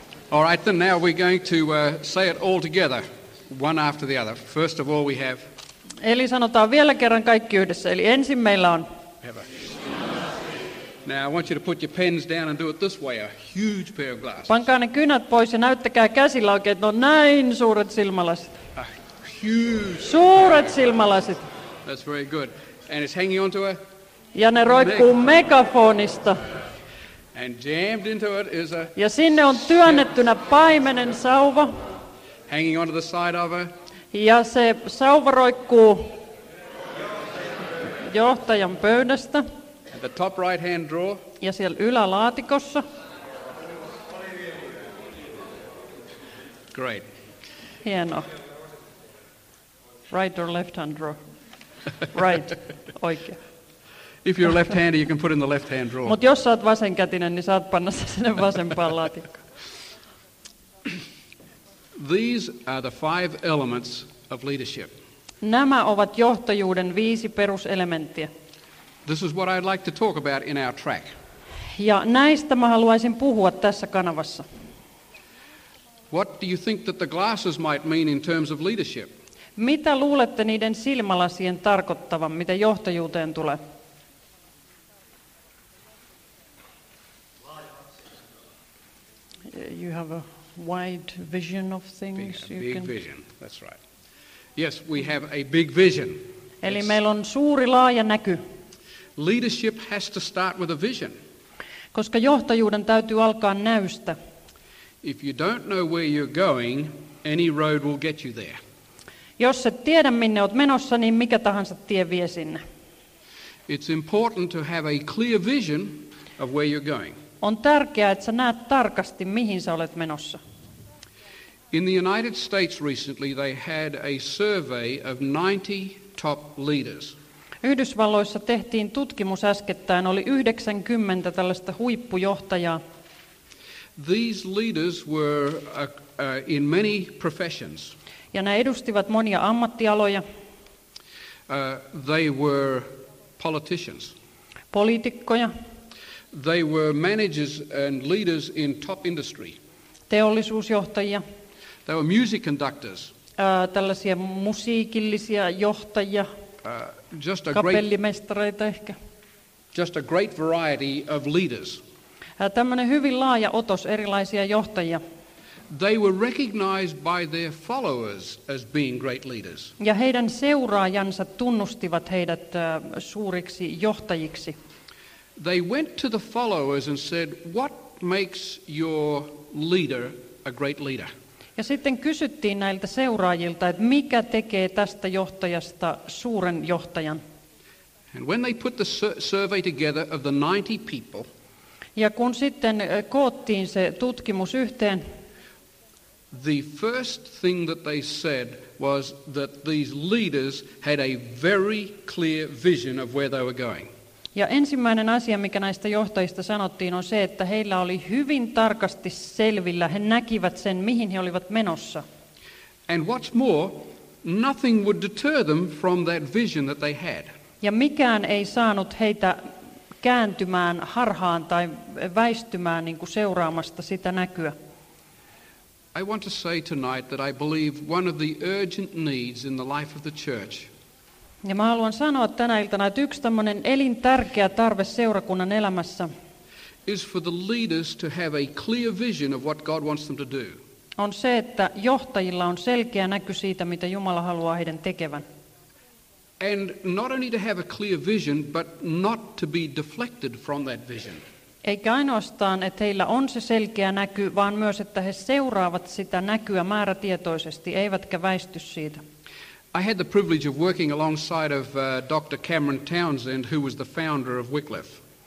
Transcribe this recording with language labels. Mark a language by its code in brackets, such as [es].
[en] All right, then now we're going to say it all together, one after the other. First of all, we have. [fi] Eli sanotaan vielä kerran kaikki yhdessä. Eli ensin meillä on. [en] Now I want you to put your pens down and do it this way, a huge pair of glasses. [fi] Pankaa ne kynät pois ja näyttäkää käsillä oikein, että ne on näin suuret silmälasit. [en] A huge. [fi] Suuret silmälasit. [en] That's very good. And it's hanging onto a. [fi] Ja ne roikkuu megafonista. [en] And jammed into it is a. [fi] Ja sinne on työnnettynä paimenen sauva. [en] Hanging onto the side of her. [fi] Ja se sauva roikkuu johtajan pöydästä. [en] At the top right hand drawer. [fi] Ja siellä ylälaatikossa. [en] Great. [fi] Hieno. [en] Right or left hand drawer? Right. [fi] Oikea. [en] If you're left-handed, you can put in the left-hand drawer. [fi] Mut jos saat vasenkätinen, niin saat panna sen sinne vasempaan laatikkoon. [en] These are the five elements of leadership. [fi] Nämä ovat johtajuuden viisi peruselementtiä. [en] This is what I'd like to talk about in our track. [fi] Ja näistä mä haluaisin puhua tässä kanavassa. [en] What do you think that the glasses might mean in terms of leadership? [fi] Mitä luulette niiden silmälasien tarkoittavan, mitä johtajuuteen tulee? [en] You have a wide vision of things. Big, big vision, that's right. Yes, we have a big vision. [fi] Eli meillä on suuri laaja näky. [en] Leadership has to start with a vision. [fi] Koska johtajuuden täytyy alkaa näystä. [en] If you don't know where you're going, any road will get you there. [fi] Jos et tiedä minne olet menossa, niin mikä tahansa tie vie sinne. [en] It's important to have a clear vision of where you're going. [fi] On tärkeää, että sä näet tarkasti, mihin sä olet menossa. [en] In the United States recently, they had a survey of 90 top leaders. [fi] Yhdysvalloissa tehtiin tutkimus äskettäin, oli 90 tällaista huippujohtajaa. [en] These leaders were in many professions. [fi] Ja nämä edustivat monia ammattialoja. [en] They were politicians. [fi] Poliitikkoja. [en] They were managers and leaders in top industry. [fi] Teollisuusjohtajia. [en] They were music conductors. [fi] Tällaisia musiikillisia johtajia. [en] Just a [fi] kapellimestareita ehkä. [en] Just a great variety of leaders. [fi] Tällainen hyvin laaja otos erilaisia johtajia. [en] They were recognized by their followers as being great leaders. [fi] Ja heidän seuraajansa tunnustivat heidät suuriksi johtajiksi. [en] They went to the followers and said, "What makes your leader a great leader?" [fi] Ja sitten kysyttiin näiltä seuraajilta, että mikä tekee tästä johtajasta suuren johtajan. [en] And when they put the survey together of the 90 people, [fi] ja kun sitten koottiin se tutkimus yhteen, [en] the first thing that they said was that these leaders had a very clear vision of where they were going. [fi] Ja ensimmäinen asia, mikä näistä johtajista sanottiin, on se, että heillä oli hyvin tarkasti selvillä. He näkivät sen, mihin he olivat menossa. [en] And what's more, nothing would deter them from that vision that they had. [fi] Ja mikään ei saanut heitä kääntymään harhaan tai väistymään niin kuin seuraamasta sitä näkyä. [en] I want to say tonight that I believe one of the urgent needs in the life of the church. [fi] Ja mä haluan sanoa tänä iltana, että yksi tämmöinen elintärkeä tarve seurakunnan elämässä [en] is for the leaders to have a clear vision of what God wants them to do. [fi] On se, että johtajilla on selkeä näky siitä, mitä Jumala haluaa heidän tekevän. [en] And not only to have a clear vision, but not to be deflected from that vision. [fi] Eikä ainoastaan, että heillä on se selkeä näky, vaan myös, että he seuraavat sitä näkyä määrätietoisesti, eivätkä väisty siitä. [en] I had the privilege of working alongside of Dr. Cameron Townsend, who was the founder of Wycliffe.